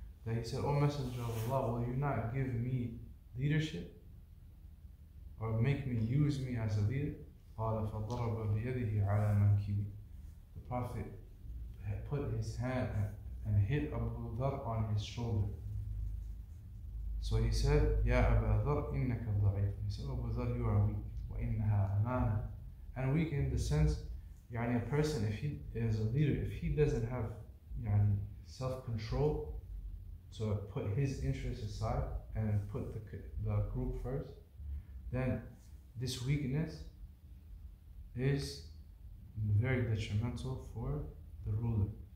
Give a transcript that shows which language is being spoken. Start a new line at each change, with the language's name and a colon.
English: That he said, O Messenger of Allah, will you not give me leadership? Or make me, use me as a leader?
Arabic: قَالَ فَضَرَبَ بِيَدِهِ عَلَى مَنْكِبِ.
English: The Prophet put his hand and hit Abu Dharr on his shoulder. So he said,
Arabic: يَا أَبَا ذَرْ إِنَّكَ ضَعِيفٌ.
English: He said, Abu Dharr, you are weak.
Arabic: وَإِنَّهَا أَمَانَةٌ.
English: And weak in the sense, يعني, a person, if he is a leader, if he doesn't have, يعني, self-control to put his interests aside and put the group first, then this weakness is very detrimental for the ruler.